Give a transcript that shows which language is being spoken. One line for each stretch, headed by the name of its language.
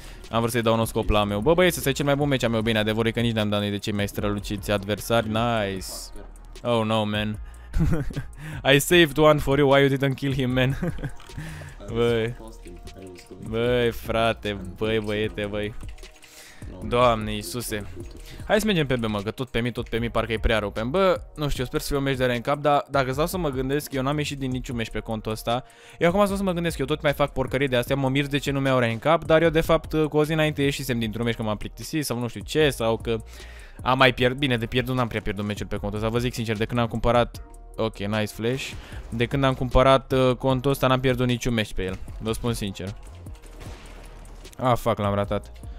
Romanian: Am vrut să-i dau un scop la meu. Bă, băieți, ăsta e cel mai bun meci al meu, bine, adevărul e că nici n-am dat noi de cei mai străluciți adversari.
English: Nice. Oh, no, man. I saved one for you, why you didn't kill him, man?
Romanian: Băi. Băi, frate, băi, băiete, băi. Doamne, Iisuse. Hai să mergem pe B, mă, că tot pe mi, parcă e prea rău pe-mi. Bă, nu știu, sper să fie un meci de rank up, dar dacă stau să mă gândesc, eu n-am ieșit din niciun meci pe contul ăsta. Eu acum stau să mă gândesc, eu tot mai fac porcării de astea, mă mir de ce nu mi-au rank up, dar eu de fapt cu o zi înainte ieșisem dintr-un meci că m-am plictisit sau nu știu ce, sau că am mai pierdut, bine, de pierdut n-am prea pierdut meciul pe contul ăsta, vă zic sincer, de când am cumpărat, ok, nice flash, de când am cumpărat contul ăsta n-am pierdut niciun meci pe el, vă spun sincer. Ah, fuck, l-am ratat.